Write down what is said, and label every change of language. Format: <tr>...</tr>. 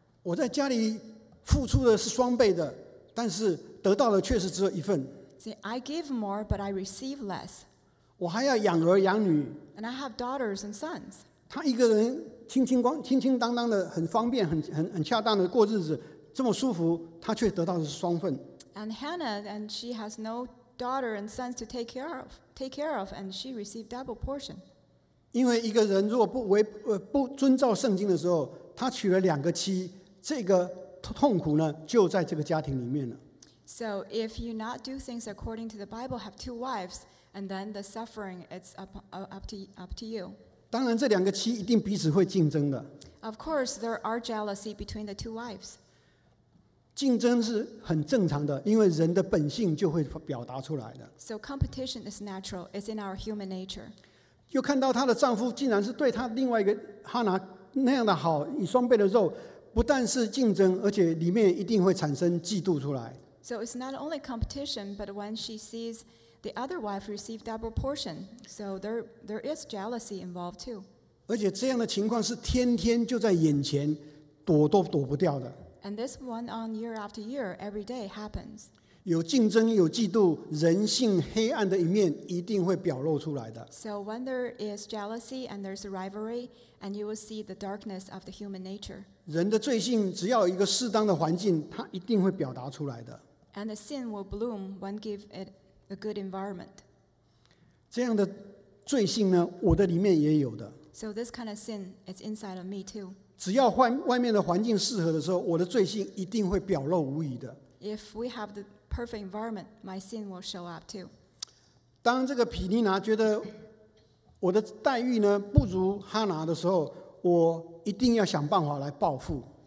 <zh>我在家里付出的是双倍的，但是得到的却是只有一份。</zh> <en>See, I give more, but I receive less.</en> <zh>我还要养儿养女。</zh> <en>And I have daughters and sons.</en> <zh>她一个人清清当当的，很方便，很恰当的过日子，这么舒服，她却得到的是双份。</zh> <en>And Hannah, and she has no daughter and sons to take care of, and she received double portion.</en> <zh>因为一个人如果不遵照圣经的时候，他娶了两个妻，这个痛苦呢，就在这个家庭里面了。</zh> <en>So if you not do things according to the Bible, have two wives, and then the suffering it's up to you.</en> <zh>当然，这两个妻一定彼此会竞争的。</zh> <en>Of course, there are jealousy between the two wives.</en> <zh>竞争是很正常的，因为人的本性就会表达出来的。</zh> <en>So competition is natural. It's in our human nature.</en> <zh>又看到她的丈夫竟然是对她另外一个哈拿那样的好，以双倍的肉，不但是竞争，而且里面一定会产生嫉妒出来。</zh> <en>So it's not only competition, but when she sees the other wife receive double portion, so there is jealousy involved too.</en> <zh>而且这样的情况是天天就在眼前，躲都躲不掉的。</zh> <en>And this one on year after year, every day happens.</en> <zh>有竞争，有嫉妒，人性黑暗的一面一定会表露出来的。</zh> <en>So when there is jealousy and there's a rivalry, and you will see the darkness of the human nature.</en> <zh>人的罪性只要有一个适当的环境，它一定会表达出来的。</zh> <en>And the sin will bloom when give it a good environment.</en> <zh>这样的罪性呢，我的里面也有的。</zh> <en>So this kind of sin is inside of me too.</en> <zh>只要外面的环境适合的时候，我的罪性一定会表露无遗的。</zh> <en>If we have the perfect environment, my sin will show up too.</en> <zh>当这个毗尼拿觉得我的待遇呢不如哈拿的时候，我一定要想办法来报复。</zh>